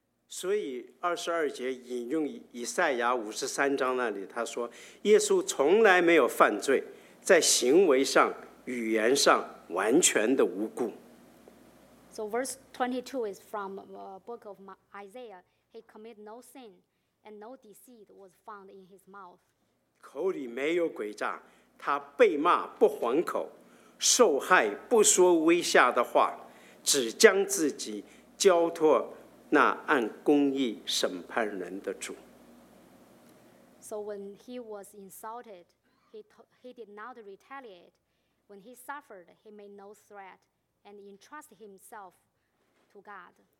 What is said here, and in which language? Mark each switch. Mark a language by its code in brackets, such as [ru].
[zh] 所以二十二节引用以赛亚五十三章那里，他说：“耶稣从来没有犯罪，在行为上、语言上完全的无辜。” [en] So verse 22 is from the book of Isaiah. He committed no sin, and no deceit was found in his mouth. [zh] 口里没有诡诈，他被骂不还口，受害不说威吓的话，只将自己交托那按公义审判人的主。 [en] So when he was insulted, he did not retaliate. When he suffered, he made no threat and entrusted himself to God.